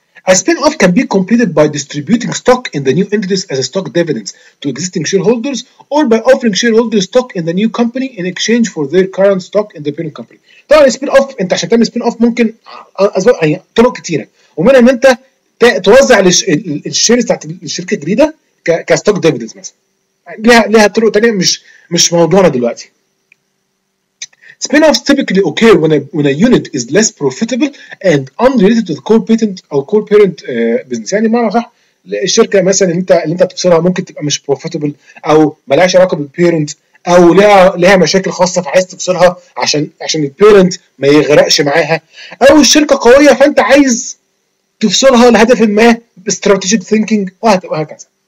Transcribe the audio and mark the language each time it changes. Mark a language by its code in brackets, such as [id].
[en] A spin-off can be completed by distributing stock in the new entities as a stock dividends to existing shareholders or by offering shareholders stock in the new company in exchange for their current stock in the parent company. [ar] طبعا spin-off انت عشان تعمل spin-off ممكن طرق كتيرة، ومنها ان انت توزع الشيرز بتاعت الشركة الجديدة كستوك ديفيدنز مثلا. لها طرق تانية مش موضوعنا دلوقتي. [en] Spin-offs typically occur when a unit is less profitable and unrelated to the core patent or core parent business. [ar] يعني ما راح الشركة مثلا اللي انت تفصلها ممكن تبقى مش profitable او ملاش علاقة بالبيرنت او لها مشاكل خاصة فعايز تفصلها عشان البيرنت ما يغرقش معاها، او الشركة قوية فانت عايز تفصلها لهدف ما strategic thinking وهكذا.